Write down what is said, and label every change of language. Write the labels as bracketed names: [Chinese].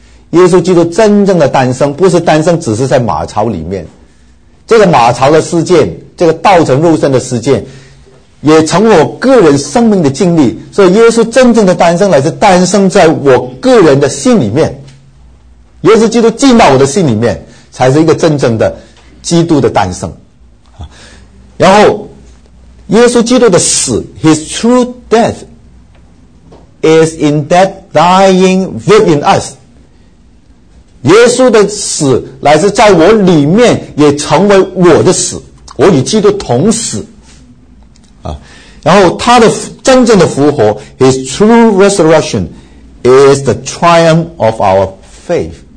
[Chinese] 耶稣基督真正的诞生不是诞生只是在马槽里面，这个马槽的事件，这个道成肉身的事件也成为我个人生命的经历。所以耶稣真正的诞生乃是诞生在我个人的心里面，耶稣基督进到我的心里面才是一个真正的基督的诞生。然后耶稣基督的死 [English] His true death is in that dying within us。 [Chinese] 耶稣的死乃是在我里面也成为我的死，我与基督同死。然后他的真正的复活 [English] His true resurrection is the triumph of our faith。